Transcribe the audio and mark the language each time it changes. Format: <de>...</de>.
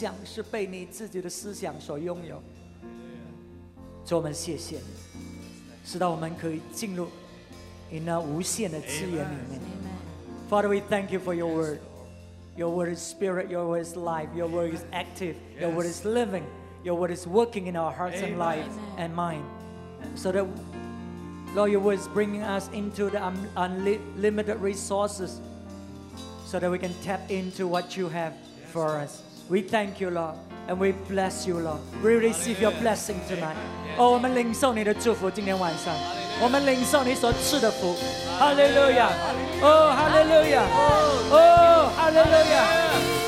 <zh>阿爸天父，我们感谢你的话语。阿门。我们感谢你的话语，像良人的利剑，刺进我们的心思意念里面。阿门。主啊，让我们分辨出什么是负面，什么是信心的话语。阿门。主，我们要宣告那信心的话语，我们要思念主你自己的话语。主啊，使到我们的思想是被你自己的思想所拥有。主，我们谢谢你，使到我们可以进入你那无限的资源里面。</zh> <en>Father, we thank you for your word. Your word is spirit, your word is life, your word is active, your word is living, your word is working in our hearts and lives and mind. So that, Lord, your word is bringing us into the unlimited resources so that we can tap into what you have for us. We thank you, Lord, and we bless you, Lord. We receive your blessing tonight.</en> <zh>哦，我们领受你的祝福，今天晚上，我们领受你所赐的福。哈利路亚！哦，哈利路亚！哦，哈利路亚！哦，哈利路亚！</zh>